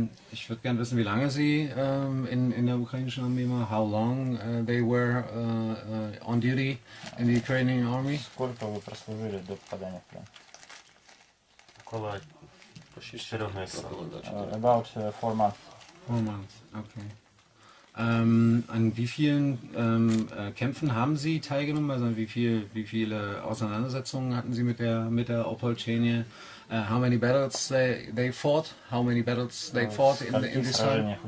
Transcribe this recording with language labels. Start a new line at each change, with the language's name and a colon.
German: Ich würde gerne wissen, wie lange Sie in der ukrainischen Armee waren.
English: How long they were on duty in the Ukrainian Army?
Russian: Сколько вы прослужили до попадания в плен? Около
English: About 4 months. 4 months, okay.
German: An wie vielen Kämpfen haben Sie teilgenommen? Also wie viele Auseinandersetzungen hatten Sie mit der Opolchenie?
English: How many battles they fought? How many battles they fought in this time?